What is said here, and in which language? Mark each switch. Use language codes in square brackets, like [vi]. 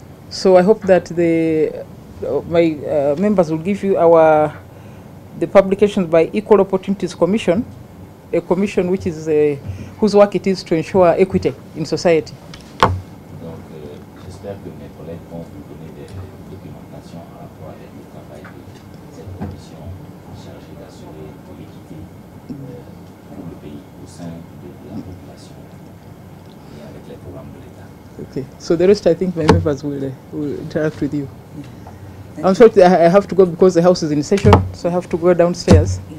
[en] So I hope that the my members will give you the publications by Equal Opportunities Commission, a commission which is whose work it is to ensure equity in society. [fr] Donc, j'espère que mes collègues vont vous donner des documentations en rapport avec le travail de cette commission chargée d'assurer l'équité pour le pays au sein de la population et avec les programmes de l'État. [en] Okay. So the rest, I think my members will interact with you. I'm sorry, I have to go because the house is in session, so I have to go downstairs.